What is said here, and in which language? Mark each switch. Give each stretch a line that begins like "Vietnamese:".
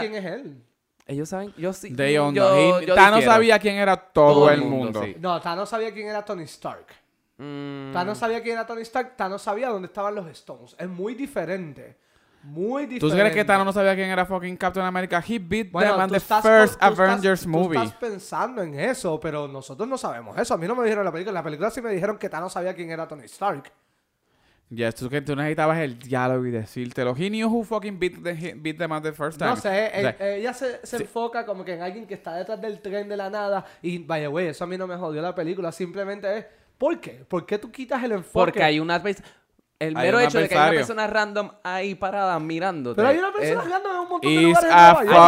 Spanish: quién es él. Ellos saben... Yo sí. Thanos sabía quién era todo el mundo. Sí. No, Thanos sabía quién era Tony Stark. Thanos sabía quién era Tony Stark. Thanos sabía dónde estaban los Stones. Es muy diferente. Muy diferente. ¿Tú crees que Thanos no sabía quién era fucking Captain America?
English: He beat them in the first Avengers movie.
Spanish: Tú estás pensando en eso, pero nosotros no sabemos eso. A mí no me dijeron en la película. En la película sí me dijeron que Thanos sabía quién era Tony Stark. Ya, yes, tú necesitabas el diálogo y decírtelo.
English: He knew who fucking beat them at the first time.
Spanish: No sé, ella se enfoca como que en alguien que está detrás del tren de la nada. Y,
English: by the way,
Spanish: eso a mí no me jodió la película. Simplemente es... ¿Por qué? ¿Por qué tú quitas el enfoque? Porque hay una... El mero hecho de que hay una persona random ahí parada mirándote. Pero hay una persona random en un montón de lugares de Nueva York.